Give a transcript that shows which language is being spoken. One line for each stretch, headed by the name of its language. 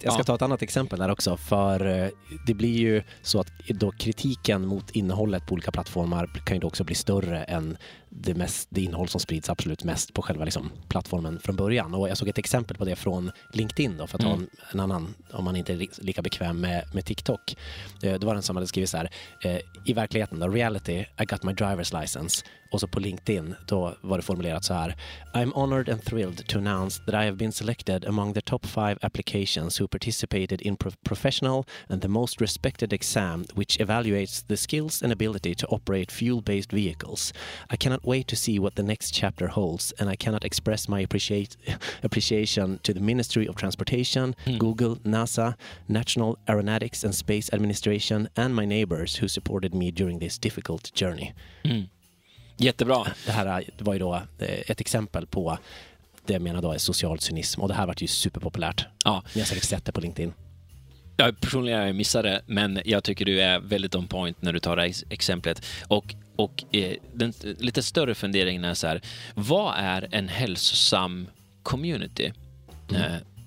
Swedish: Jag ska ta ett annat exempel där också. För det blir ju så att då kritiken mot innehållet på olika plattformar kan ju då också bli större än det, mest, det innehåll som sprids absolut mest på själva liksom plattformen från början. Och jag såg ett exempel på det från LinkedIn då, för att ha en annan, om man inte är lika bekväm med TikTok. Det var en som hade skrivit så här, i verkligheten då,
English: reality, I got my driver's license. Och så på LinkedIn, då var det formulerat så här, I'm honored and thrilled to announced that I have been selected among the top 5 applications who participated in professional and the most respected exam which evaluates the skills and ability to operate fuel-based vehicles. I cannot wait to see what the next chapter holds and I cannot express my appreciation to the Ministry of Transportation, Google, NASA, National Aeronautics and Space Administration and my neighbors who supported me during this difficult journey.
Swedish: Mm. Jättebra. Det här var ju då ett exempel på det jag menar då är social cynism. Och det här har varit ju superpopulärt. Ja. Ni har säkert sett det på LinkedIn. Ja, personligen har jag missat det, men jag tycker du är väldigt on point när du tar det här exemplet. Och den lite större funderingen är så här, vad är en hälsosam community? Mm.